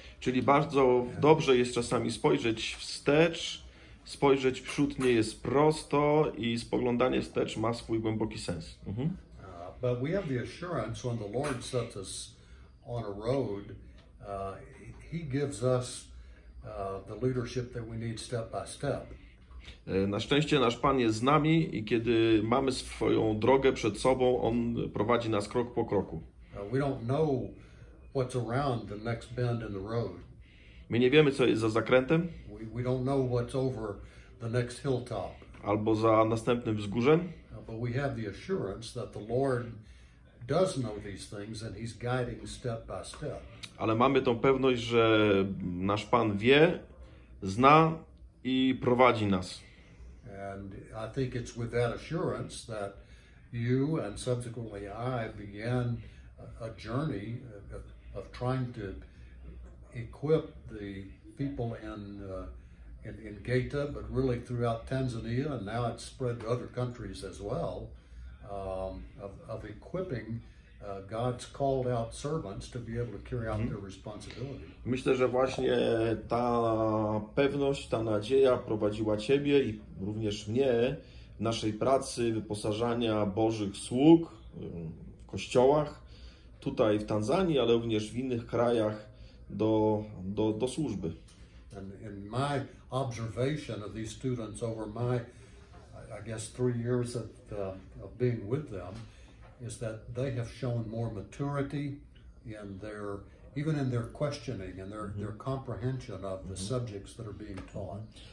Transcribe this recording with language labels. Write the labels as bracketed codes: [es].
[pl] Czyli bardzo dobrze jest czasami spojrzeć wstecz. Spojrzeć w przód nie jest prosto i spoglądanie wstecz ma swój głęboki sens. [en] But we have the assurance when the Lord sets us on a road, he gives us the leadership that we need step by step. [pl] Na szczęście nasz Pan jest z nami i kiedy mamy swoją drogę przed sobą, on prowadzi nas krok po kroku. [en] We don't know what's around the next bend in the road. [pl] My nie wiemy, co jest za zakrętem. [en] We don't know what's over the next hilltop. [pl] Albo za następnym wzgórzem. [en] But we have the assurance that the Lord does know these things and he's guiding step by step. [pl] Ale mamy tą pewność, że nasz Pan wie, zna i prowadzi nas. [en] And I think it's with that assurance that you and subsequently I began a journey of trying to equip the people in Geita, but really throughout Tanzania, and now it's spread to other countries as well, of equipping God's called out servants to be able to carry out their responsibility. [pl] Myślę, że właśnie ta pewność, ta nadzieja prowadziła Ciebie i również mnie w naszej pracy wyposażania Bożych sług w kościołach tutaj w Tanzanii, ale również w innych krajach do służby. [en] And in my observation of these students over my, I guess, 3 years of being with them, is that they have shown more maturity in their, even in their questioning and their comprehension of the subjects that are being taught.